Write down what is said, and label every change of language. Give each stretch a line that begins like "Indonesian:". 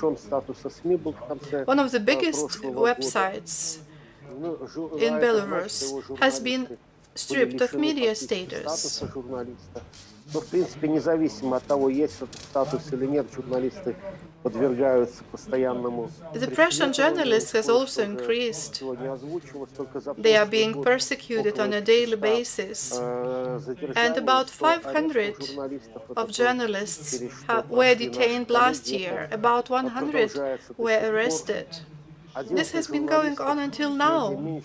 English: One of the biggest websites in Belarus has been stripped of media status.
Russian: Но, в принципе, независимо от того, есть этот статус или нет, журналисты подвергаются постоянному.
English: The pressure on journalists has also increased. They are being persecuted on a daily basis. And about 500 of journalists were detained last year. About 100 were arrested. This has been going on until now.